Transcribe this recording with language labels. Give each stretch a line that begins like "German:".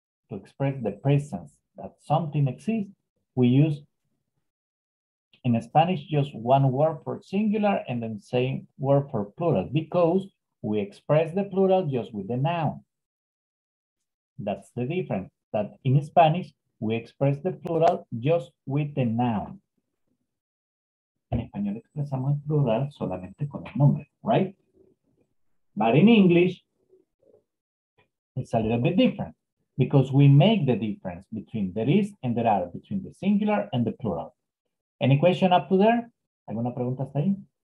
English: To express the presence that something exists, we use in Spanish just one word for singular and then same word for plural, because we express the plural just with the noun. That's the difference, that in Spanish, we express the plural just with the noun.
Spanish: En español expresamos el plural solamente con el nombre, right?
English: But in English, it's a little bit different because we make the difference between there is and there are, between the singular and the plural. Any question up to there?
Spanish: ¿Alguna pregunta hasta ahí?